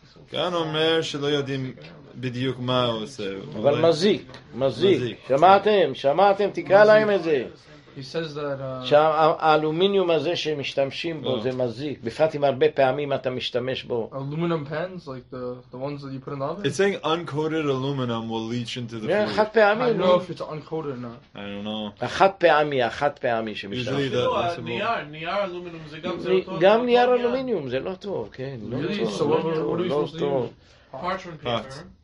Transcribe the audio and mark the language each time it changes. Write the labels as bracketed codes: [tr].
[he] כאן אומר שלא יודעים בדיוק מה הוא עושה. אבל מזיק, מזיק. שמעתם, תקרא להם את זה. שהאלומיניום הזה שמשתמשים בו זה מזיק. בפרט אם הרבה פעמים אתה משתמש בו. [en] Aluminum pans, like the ones that you put in the oven? It's saying uncoated aluminum will leach into the food. I don't know if it's uncoated or not. I don't know. [he] אחד פעמי שמשתמשים. [en] Usually that's [he] נייר אלומיניום זה גם זה לא טוב. גם נייר אלומיניום זה לא טוב, כן. [en] Really? So what are we supposed to use?